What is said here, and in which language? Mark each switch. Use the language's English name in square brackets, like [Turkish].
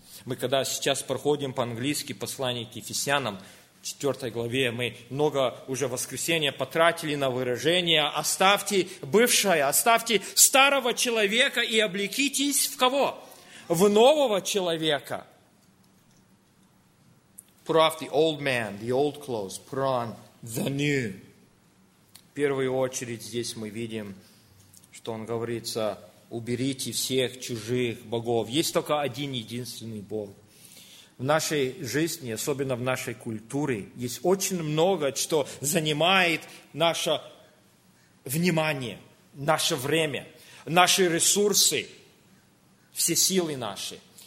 [Russian] Мы когда сейчас проходим по-английски послание к Ефесянам, в 4 главе, мы много уже воскресенья потратили на выражение, оставьте бывшее, оставьте старого человека и облекитесь в кого? В нового человека. [English] Put off the old man, the old clothes, put on the new. [Russian] В первую очередь здесь мы видим, что он говорится, уберите всех чужих богов. Есть только один единственный Бог. В нашей жизни, особенно в нашей культуре, есть очень много, что занимает наше внимание, наше время, наши ресурсы, все силы наши.